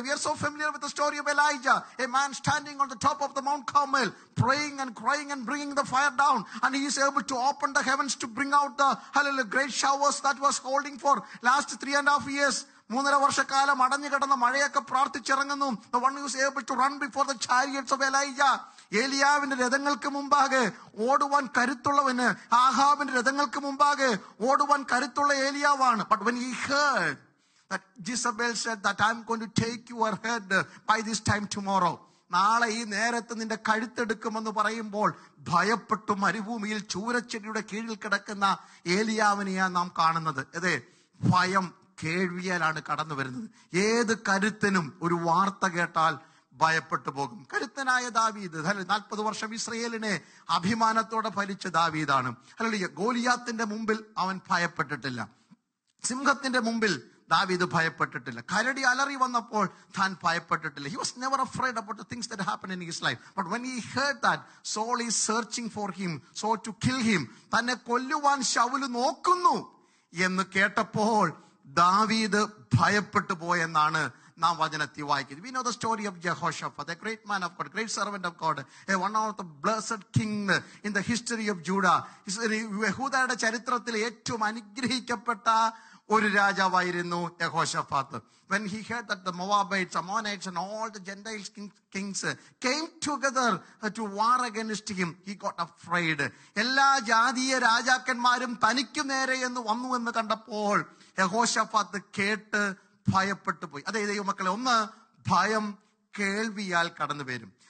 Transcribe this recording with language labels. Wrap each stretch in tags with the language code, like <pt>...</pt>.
<en>We are so familiar with the story of Elijah, a man standing on the top of the mount Carmel, praying and crying and bringing the fire down, and he is able to open the heavens to bring out the great showers that was holding for last 3.5 years.</en> <ml>മൂന്നര വർഷക്കാലം അടഞ്ഞു കിടന്ന മഴയൊക്കെ പ്രാർത്ഥിച്ചിറങ്ങുന്നു.</ml> <en>The one who is able to run before the chariots of Elijah.</en> <ml>ഏലിയാവിന്റെ രഥങ്ങൾക്ക് മുമ്പാകെ ഓടുവാൻ കരുത്തുള്ളവന് ആഹാബിന്റെ രഥങ്ങൾക്ക് മുമ്പാകെ ഓടുവാൻ കരുത്തുള്ള ഏലിയാവാണ്.</ml> <en>But when he heard that Jezebel said that I'm going to take your head by this time tomorrow.</en> <ml>നാളെ ഈ നേരത്ത് നിന്റെ കഴുത്തെടുക്കുമെന്ന് പറയുമ്പോൾ ഭയപ്പെട്ടു മരുഭൂമിയിൽ ചൂരച്ചെടിയുടെ കീഴിൽ കിടക്കുന്ന ഏലിയാവിനെയാണ് നാം കാണുന്നത്. അതെ, ഭയം കേൾവിയാലാണ് കടന്നു വരുന്നത്. ഏത് കരുത്തനും ഒരു വാർത്ത കേട്ടാൽ ഭയപ്പെട്ടു പോകും. കരുത്തനായ ദാവീദ് അല്ലേ, 40 വർഷം ഇസ്രയേലിനെ അഭിമാനത്തോടെ ഭരിച്ച ദാവീദാണ് അല്ലേ. ഗോലിയാത്തിന്റെ മുമ്പിൽ അവൻ ഭയപ്പെട്ടിട്ടില്ല, സിംഹത്തിന്റെ മുമ്പിൽ ദാവീദ് ഭയപ്പെട്ടിട്ടില്ല, കരടി അലറി വന്നപ്പോൾ താൻ ഭയപ്പെട്ടിട്ടില്ല.</ml> <en>He was never afraid about the things that happened in his life. But when he heard that Saul is searching for him so to kill him,</en> <ml>തന്നെ കൊല്ലുവാൻ ശൗല് നോക്കുന്നു എന്ന് കേട്ടപ്പോൾ ദാവീദ് ഭയപ്പെട്ടു പോയെന്നാണ് നാം വചനത്തിൽ വായിക്കുന്നത്.</ml> <en>We know the story of Jehoshaphat, a great man of God, great servant of God, a one of the blessed king in the history of Judah.</en> <ml>യഹൂദയുടെ ചരിത്രത്തിൽ ഏറ്റവും അനുഗ്രഹിക്കപ്പെട്ട ഒരു രാജാവായിരുന്നു യഹോശഫാത്ത്.</ml> <en>When he heard that the Moabites, Ammonites and all the Gentiles kings came together to war against him, he got afraid.</en> <ml>എല്ലാ ജാതീയ രാജാക്കന്മാരും തനിക്ക് നേരെ എന്ന് വന്നു എന്ന് കണ്ടപ്പോൾ യഹോശഫാത്ത് കേട്ട് ഭയപ്പെട്ടു പോയി. അതെ ദൈവമക്കളെ, ഒന്ന്, ഭയം കേൾവിയാൽ കടന്നു വരും.</ml>